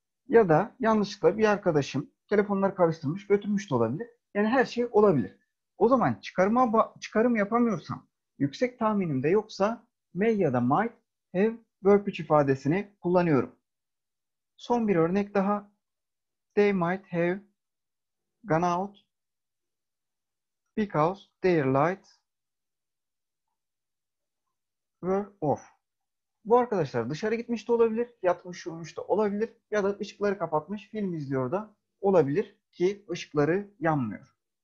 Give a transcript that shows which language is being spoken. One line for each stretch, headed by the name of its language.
Turkish: Ya da yanlışlıkla bir arkadaşım telefonları karıştırmış, götürmüş de olabilir. Yani her şey olabilir. O zaman çıkarım yapamıyorsam, yüksek tahminim de yoksa may ya da might have verb 3 ifadesini kullanıyorum. Son bir örnek daha.
English: They might have gone out because their lights were off.
Turkish: Bu arkadaşlar dışarı gitmiş de olabilir, yatmış uyumuş da olabilir ya da ışıkları kapatmış, film izliyor da olabilir ki ışıkları yanmıyor.